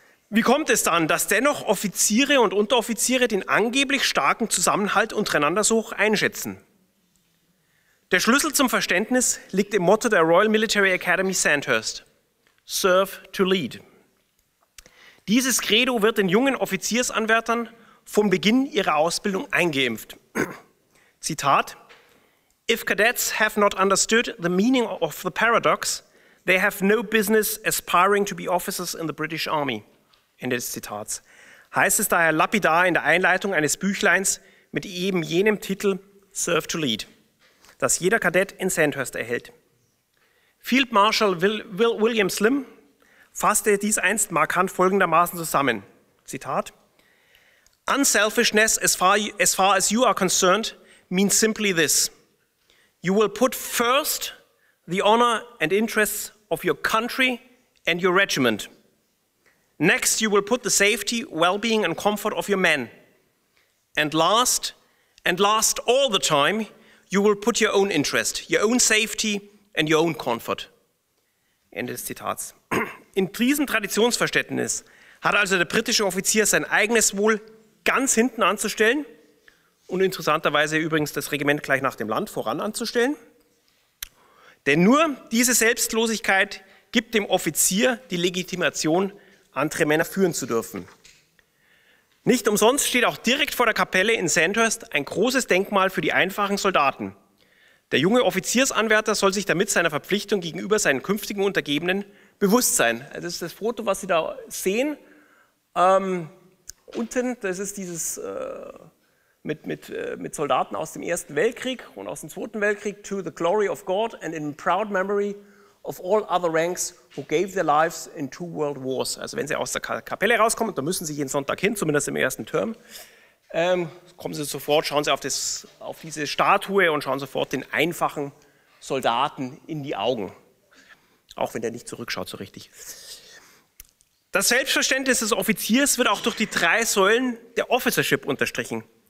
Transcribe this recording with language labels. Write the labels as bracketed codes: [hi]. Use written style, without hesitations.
[de] Wie kommt es dann, dass dennoch Offiziere und Unteroffiziere den angeblich starken Zusammenhalt untereinander so hoch einschätzen? Der Schlüssel zum Verständnis liegt im Motto der Royal Military Academy Sandhurst: [en] Serve to lead. [de] Dieses Credo wird den jungen Offiziersanwärtern vom Beginn ihrer Ausbildung eingeimpft. [en] Zitat: If cadets have not understood the meaning of the paradox, they have no business aspiring to be officers in the British Army. [de] Ende des Zitats. Heißt es daher lapidar in der Einleitung eines Büchleins mit eben jenem Titel Serve to Lead, das jeder Kadett in Sandhurst erhält. Field Marshal William Slim fasste dies einst markant folgendermaßen zusammen. [en] Zitat: Unselfishness as far as you are concerned means simply this. You will put first the honor and interests of your country and your regiment. Next, you will put the safety, well-being and comfort of your men. And last all the time, you will put your own interest, your own safety and your own comfort. [de] Ende des Zitats. In diesem Traditionsverständnis hat also der britische Offizier sein eigenes Wohl ganz hinten anzustellen und interessanterweise übrigens das Regiment gleich nach dem Land voran anzustellen. Denn nur diese Selbstlosigkeit gibt dem Offizier die Legitimation, andere Männer führen zu dürfen. Nicht umsonst steht auch direkt vor der Kapelle in Sandhurst ein großes Denkmal für die einfachen Soldaten. Der junge Offiziersanwärter soll sich damit seiner Verpflichtung gegenüber seinen künftigen Untergebenen bewusst sein. Das ist das Foto, was Sie da sehen. Unten, das ist dieses mit Soldaten aus dem Ersten Weltkrieg und aus dem Zweiten Weltkrieg. [en] To the glory of God and in proud memory of all other ranks who gave their lives in 2 World Wars. [de] Also wenn Sie aus der Kapelle rauskommen, dann müssen Sie jeden Sonntag hin, zumindest im ersten Term. Kommen Sie sofort, schauen Sie auf diese Statue und schauen sofort den einfachen Soldaten in die Augen. Auch wenn der nicht zurückschaut so richtig. Das Selbstverständnis des Offiziers wird auch durch die 3 Säulen der Officership unterstrichen.